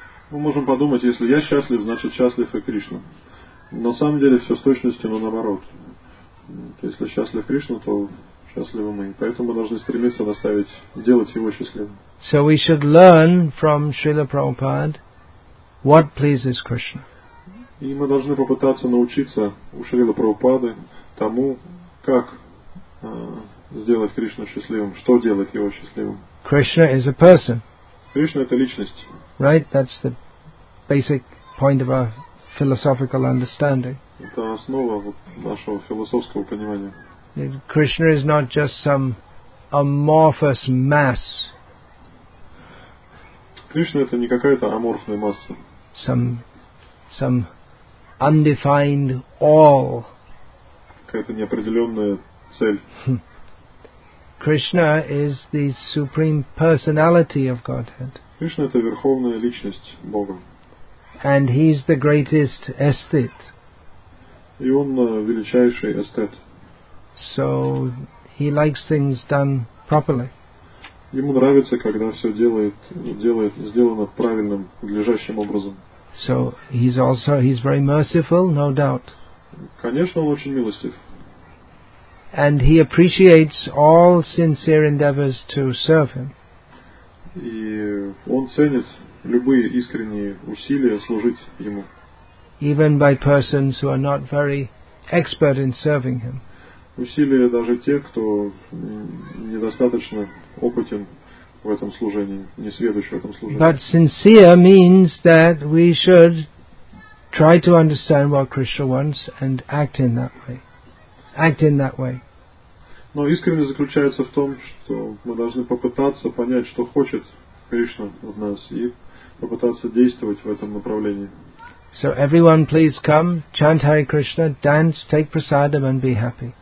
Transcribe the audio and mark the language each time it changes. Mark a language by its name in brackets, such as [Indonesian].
[Russian] Мы можем подумать, если я счастлив, значит счастлив и Кришна. На самом деле все с точностью, но наоборот. Если счастлив Кришна, то счастливы мы. Поэтому мы должны стремиться наставить, делать его счастливым. [English] So we should learn from Srila Prabhupada what pleases Krishna. [Russian] И мы должны попытаться научиться у Шрилы Прабхупады тому, как сделать Кришну счастливым, что делать его счастливым. [English] Krishna is a person. [Russian] Кришна это личность. [English] Right? That's the basic point of our philosophical understanding. [Russian] Это основа нашего философского понимания. [English] Krishna is not just some amorphous mass. [Russian] Кришна это не какая-то аморфная масса. [English] Some undefined all. [Russian] Какая-то неопределенная цель. [English] Krishna is the supreme personality of Godhead. [Russian] Кришна это верховная личность Бога. [English] And he's the greatest aesthete. [Russian] И он величайший эстет. [English] So he likes things done properly. [Russian] Ему нравится, когда все делает сделано правильным, надлежащим образом. [English] So he's very merciful, no doubt. [Russian] Конечно, он очень милостив. [English] And he appreciates all sincere endeavors to serve him. [Russian] И он ценит любые искренние усилия служить ему. [English] Even by persons who are not very expert in serving him. [Russian] усилия даже тех, кто недостаточно опытен в этом служении, не сведущ в этом служении. [English] But sincere means that we should try to understand what Krishna wants and act in that way. Act in that way. [Russian] Но искренность заключается в том, что мы должны попытаться понять, что хочет Кришна от нас, и попытаться действовать в этом направлении. [English] So everyone please come, chant Hare Krishna, dance, take prasadam and be happy.